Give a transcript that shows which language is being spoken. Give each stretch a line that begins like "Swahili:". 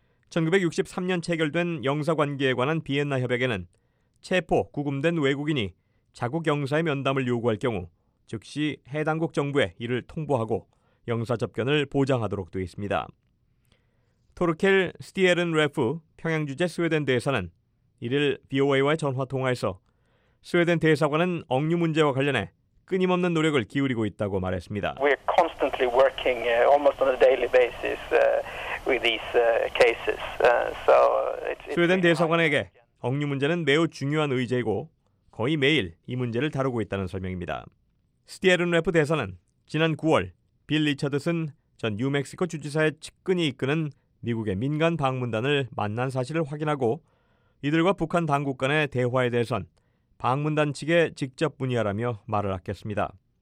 Korean: 1963년 체결된 영사관계에 관한 비엔나 협약에는 체포, 구금된 외국인이 자국 영사의 면담을 요구할 경우 즉시 해당국 정부에 이를 통보하고 영사 접견을 보장하도록 되어 있습니다. 토르켈 스티에른 레프 평양주재 스웨덴 대사는 이를 VOA와의 전화통화에서 스웨덴 대사관은 억류 문제와 관련해 끊임없는 노력을 기울이고 있다고 말했습니다.
English: We're constantly working almost on a daily basis with these cases. So
Korean: 스웨덴 대사관에게 억류 문제는 매우 중요한 의제이고 거의 매일 이 문제를 다루고 있다는 설명입니다. 스티에른 레프 대사는 지난 9월 빌 리처드슨 전 뉴멕시코 주지사의 측근이 이끄는 미국의 민간 방문단을 만난 사실을 확인하고 이들과 북한 당국 간의 대화에 대해선 방문단 측에 직접 문의하라며 말을 아꼈습니다.